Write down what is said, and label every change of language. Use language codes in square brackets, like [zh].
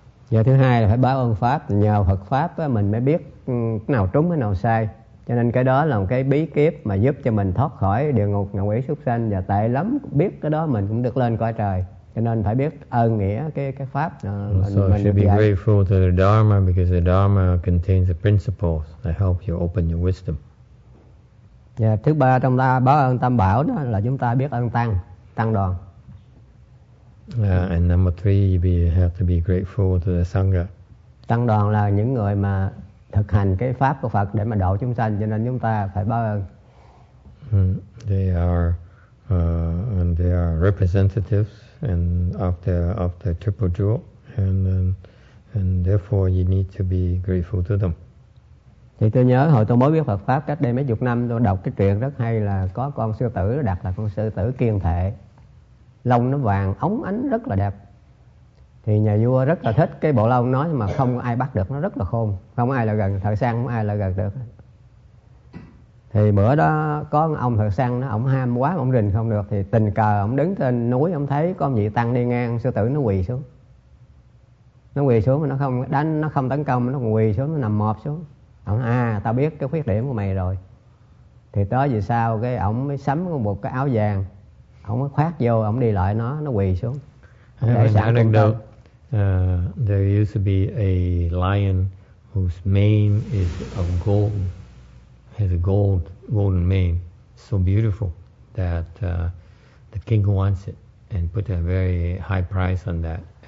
[vi] Và thứ hai là phải báo ơn pháp, nhờ Phật pháp á, mình mới biết cái nào trúng cái nào sai. Cho nên cái đó là một cái bí kíp mà giúp cho mình thoát khỏi địa ngục ngạ quỷ súc sanh và tệ lắm, biết cái đó mình cũng được lên cõi trời. Cho nên phải biết ơn nghĩa cái pháp mình được dạy. [en] So you should be grateful to the Dharma because the Dharma contains the principles that help you open your wisdom. [vi] Và thứ ba trong ta báo ơn Tam Bảo đó là chúng ta biết ơn tăng đoàn. [en] And number three, you have to be grateful to the Sangha. [vi] Tăng đoàn là những người mà thực hành cái pháp của Phật để mà độ chúng sanh, cho nên chúng ta phải báo ơn. [en] They are representatives and of the triple jewel, and therefore you need to be grateful to them. [vi] Thì tôi nhớ hồi tôi mới biết Phật pháp cách đây mấy chục năm, tôi đọc cái truyện rất hay là có con sư tử đặt là con sư tử kiên thệ, lông nó vàng óng ánh rất là đẹp. Thì nhà vua rất là thích cái bộ lông nó nhưng mà không ai bắt được, nó rất là khôn, không ai là gần thợ săn, không ai là gần được. Thì bữa đó có ông thợ săn nó, ổng ham quá ổng rình không được, thì tình cờ ổng đứng trên núi ổng thấy có vị tăng đi ngang, sư tử nó quỳ xuống mà nó không đánh, nó không tấn công, nó còn quỳ xuống, nó nằm mọp xuống. Ổng nói, tao biết cái khuyết điểm của mày rồi. Thì tới vì sao cái ổng mới sắm một cái áo vàng, ổng mới khoác vô, ổng đi lại nó quỳ xuống. [en] There used to be a lion whose mane is of gold, has a golden mane, so beautiful that the king wants it and put a very high price on that.